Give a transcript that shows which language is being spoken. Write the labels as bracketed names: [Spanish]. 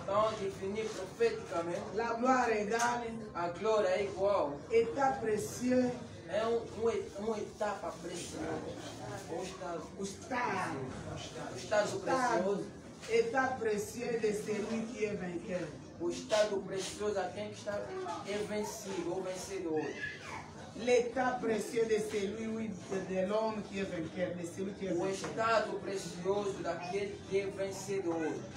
[French] Tant définir prophétiquement. La gloire égale, la gloire est quoi? État précieux. [Portuguese] É um etapa preciosa. O estado. O estado precioso. [French] État précieux de celui qui est vainqueur. [Portuguese] O estado precioso a quem está é vencido ou vencedor. [French] L'état précieux de celui de l'homme qui est vainqueur, de celui qui est vainqueur. [Portuguese] O estado precioso daquele que é vencedor.